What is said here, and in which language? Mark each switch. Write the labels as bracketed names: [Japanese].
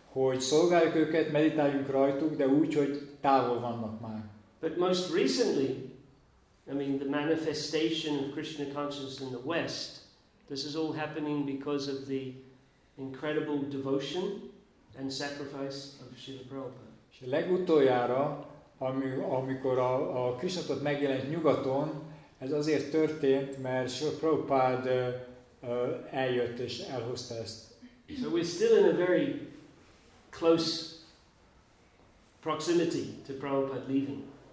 [Hungarian] hogy szolgáljuk őket, meditáljunk rajtuk, de úgy, hogy távol vannak már. [English] But most recently, I mean, the manifestation of Krishna consciousness in the West, this is all happening because of the incredible devotion and sacrifice of Srila Prabhupada. [Hungarian] És legutoljára, amikor a Krishna tudat megjelent nyugaton, ez azért történt, mert Srila Prabhupada eljött és elhozta ezt. [English] So we're still in a very close proximity to Prabhupada leaving.